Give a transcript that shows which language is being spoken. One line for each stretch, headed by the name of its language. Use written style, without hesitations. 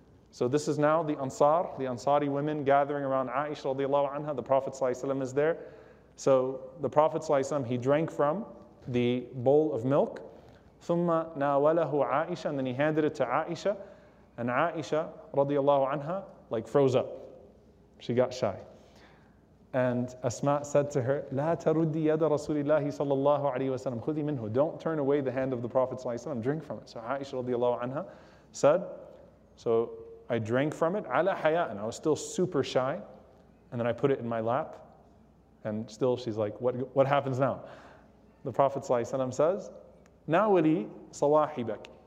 English: So this is now the Ansar, the Ansari women gathering around Aisha radiallahu anha. The Prophet sallallahu alayhi wa sallam is there. So the Prophet sallallahu alayhi wa sallam, he drank from the bowl of milk.
Arabic: ثُمَّ نَاوَلَهُ
English: Aisha, and then he handed it to Aisha. And Aisha radiallahu anha, like, froze up. She got shy. And Asma said to her,
Arabic: لَا تَرُدِّي يَدَ رَسُولِ اللَّهِ صَلَى اللَّهُ عَلَيْهِ وَسَلَّمُ خُذِي مِنْهُ.
English: Don't turn away the hand of the Prophet sallallahu alayhi wa sallam. Drink from it. So Aisha radiallahu anha said, so I drank from it, ala haya, and I was still super shy. And then I put it in my lap. And still she's like, what happens now? The Prophet ﷺ says, nawili sawahibak.